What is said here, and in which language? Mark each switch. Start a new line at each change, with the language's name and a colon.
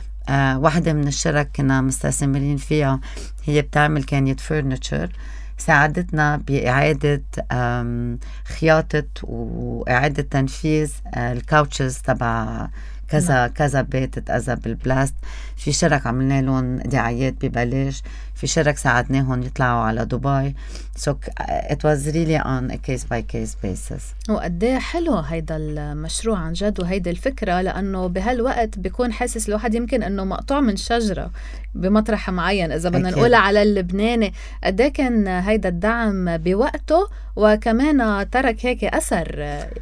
Arabic: واحدة من الشركة كنا مستثمرين فيها، هي بتعمل كانت فورنيتشر، ساعدتنا بإعادة خياطة وإعادة تنفيذ الكاوتشز تبع كذا. نعم. كذا بيت تأذى بالبلاست. في شركة عملنا لهم دعايات ببلاش، في شركة ساعدناهم يطلعوا على دبي.
English: So it was really on a case by case basis.
Arabic: وقد ايه حلو هيدا المشروع عن جد وهيدا الفكرة، لأنه بهالوقت بيكون حاسس الواحد يمكن أنه مقطوع من شجرة بمطرح معين. إذا بدنا نقول على اللبناني، قد ايه كان هيدا الدعم بوقته وكمان ترك هيك أثر.